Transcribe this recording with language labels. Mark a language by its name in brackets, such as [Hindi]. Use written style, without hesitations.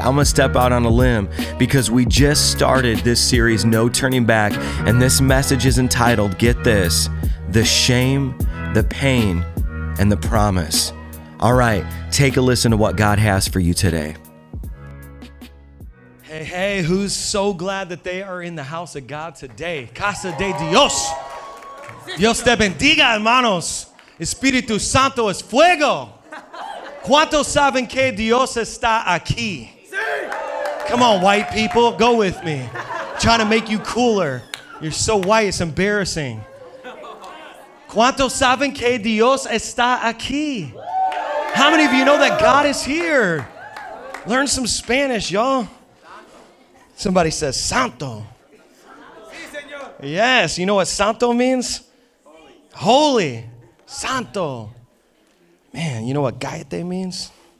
[English] I'm going to step out on a limb because we just started this series, No Turning Back, and this message is entitled, get this, The Shame, The Pain, and the promise. All right, take a listen to what God has for you today. Hey, hey, who's so glad that they are in the house of God today? [Spanish] Casa de Dios. Dios te bendiga, hermanos. Espíritu Santo es fuego. ¿Cuántos saben que Dios está aquí? [English] Come on, white people, go with me. I'm trying to make you cooler. You're so white, it's embarrassing. [Spanish] ¿Cuántos saben que Dios está aquí? [English] How many of you know that God is here? Learn some Spanish, y'all. Somebody says, Santo. Yes, you know what Santo means? Holy. Santo. Man, you know what Gaete means?